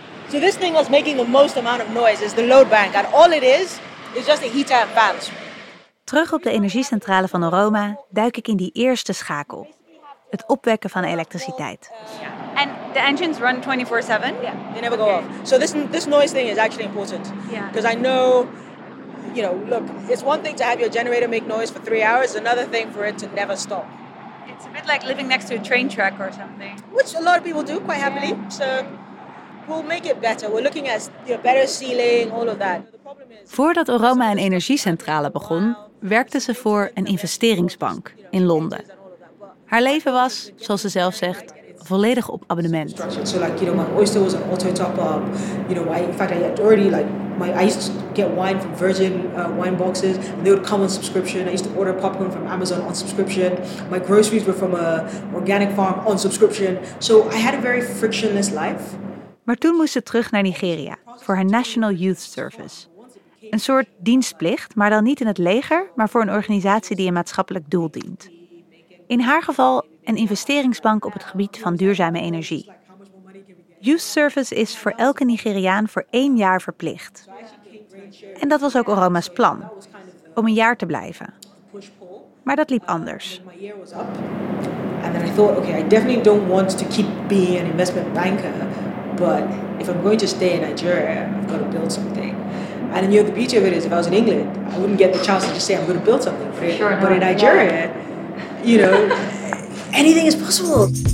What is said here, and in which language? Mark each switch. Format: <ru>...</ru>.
<en>So this thing was making the most amount of noise is the load bank. And all it is just a heater and fans.</en> <nl>Terug op de energiecentrale van Oroma duik ik in die eerste schakel. Het opwekken van elektriciteit.</nl> <en>En de engines run 24/7? Yeah. They never go off. So this noise thing is actually important. Because I know, you know, look, it's one thing to have your generator make noise for 3 hours, another thing for it to never stop. It's a bit like living next to a train track or something. Which a lot of people do quite happily. Yeah. So we'll make it better. We're looking at better ceiling, all of that.</en> <nl>Voordat Oroma een energiecentrale begon, werkte ze voor een investeringsbank in Londen. Haar leven was, zoals ze zelf zegt, volledig op abonnement.</nl> <en>So like, you know, my oyster was an auto top up. You know, in fact, I had already like my I used to get wine from Virgin wine boxes, and they would come on subscription. I used to order popcorn from Amazon on subscription. My groceries were from a organic farm on subscription. So I had a very frictionless life.</en> <nl>Maar toen moest ze terug naar Nigeria voor haar National Youth Service. Een soort dienstplicht, maar dan niet in het leger, maar voor een organisatie die een maatschappelijk doel dient. In haar geval een investeringsbank op het gebied van duurzame energie. Youth Service is voor elke Nigeriaan voor 1 jaar verplicht. En dat was ook Oroma's plan, om 1 jaar te blijven. Maar dat liep anders. En toen dacht ik, oké, ik wil</nl> <en>definitely don't want to keep being an investment banker, but if I'm going to stay in Nigeria, I've got to build something. And you know, the beauty of it is, if I was in England, I wouldn't get the chance to just say I'm going to build something. For sure, but in Nigeria, you know, anything is possible.</en>